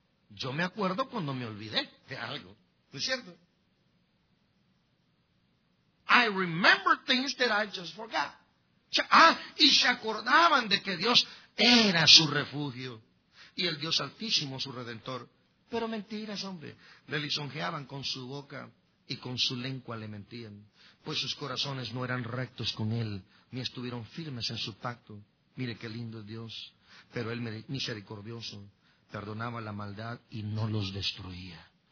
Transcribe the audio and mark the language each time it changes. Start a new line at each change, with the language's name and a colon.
Spanish: Yo me acuerdo cuando me olvidé de algo, ¿no es cierto?
English: I remember things that I just forgot.
Spanish: Y se acordaban de que Dios era su refugio. Y el Dios Altísimo, su Redentor. Pero mentiras, hombre. Le lisonjeaban con su boca y con su lengua le mentían. Pues sus corazones no eran rectos con él, ni estuvieron firmes en su pacto. Mire qué lindo es Dios. Pero él, misericordioso, perdonaba la maldad y no los destruía.